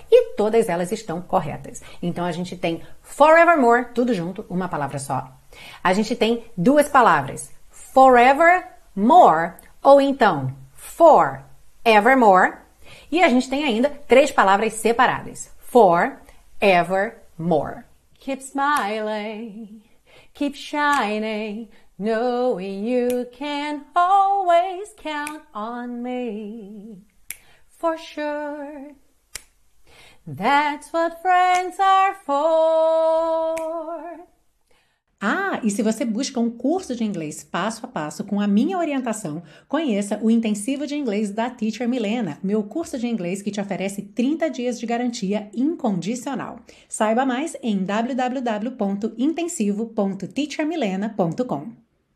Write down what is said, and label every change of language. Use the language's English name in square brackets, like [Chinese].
[Portuguese] E todas elas estão corretas. Então, a gente tem forevermore, tudo junto, uma palavra só. A gente tem 2 palavras. Forever more, ou então for ever more. E a gente tem ainda 3 palavras separadas. [English] For ever more. Keep smiling, keep shining, knowing you can always count on me. For sure. That's what friends are for. [Portuguese] Ah, e se você busca um curso de inglês passo a passo com a minha orientação, conheça o Intensivo de Inglês da Teacher Milena, meu curso de inglês que te oferece 30 dias de garantia incondicional. Saiba mais em www.intensivo.teachermilena.com.